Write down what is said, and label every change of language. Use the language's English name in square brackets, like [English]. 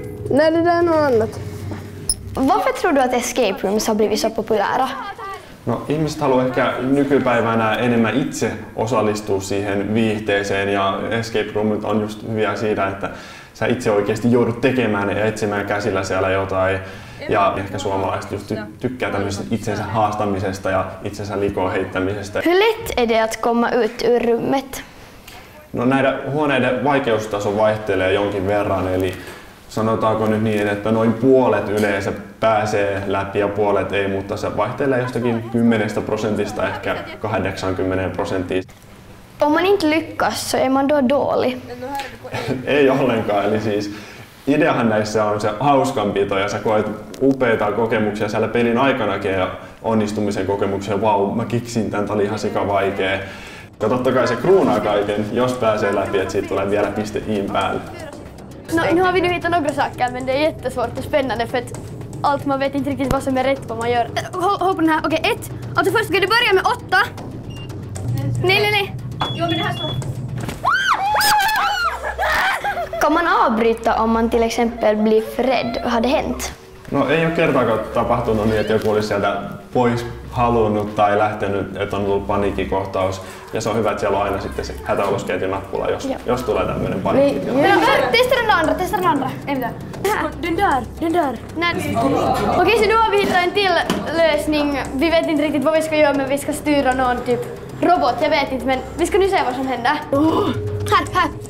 [Swedish] Nej, det där är något annat. Varför tror du att escape rooms har blivit så populära? [Finnish] No, ihmiset haluaa ehkä nykypäivänä enemmän itse osallistua siihen viihteeseen ja escape roomit on just hyviä siitä, että sä itse oikeasti joudut tekemään ja etsimään käsillä siellä jotain. Ja ehkä suomalaiset just tykkää tämmöisestä itsensä haastamisesta ja itsensä likoon heittämisestä. [Swedish] Hur lätt är det att komma ut ur rummet? [Finnish] No näiden huoneiden vaikeustaso vaihtelee jonkin verran, eli sanotaanko nyt niin, että noin puolet yleensä pääsee läpi ja puolet ei, mutta se vaihtelee jostakin 10% ehkä 80%. [Swedish] Om man inte lyckas, så är man då dålig. [Finnish] Ei ollenkaan, eli siis ideahan näissä on se hauskanpito ja sä koet upeita kokemuksia siellä pelin aikanakin ja onnistumisen kokemuksia. Vau, mä kiksin tän, tää oli ihan sika vaikee. Ja totta kai se kruunaa kaiken, jos pääsee läpi, että siitä tulee vielä piste iin päälle. [Swedish] No, nu har vi nu hittat några saker, men det är jättesvårt och spännande, för att allt man vet inte riktigt vad som är rätt vad man gör. Håll på den här. Okej, ett. Alltså först ska du börja med åtta. Nej. Jo, men det här står. Kan man avbryta om man till exempel blir för rädd? Har det hänt? [Finnish] No, ei ole kertaakaan tapahtunut niin, että joku olisi sieltä pois halunnut tai lähtenyt, että on ollut paniikkikohtaus. Ja se on hyvä, että siellä on aina sitten se hätäolosketju nappula, jos tulee tämmöinen paniikkikohtaus. [Swedish] Niin. Testa den andra, testa den andra. [Finnish] Ei mitään. [Swedish] Den där. [Finnish] Näin. [Swedish] Okei, så nu har vi hittat en till lösning. Vi vet inte riktigt vad vi ska göra, men vi ska styra någon typ robot. Jag vet inte, men vi ska nu se vad som händer. Här.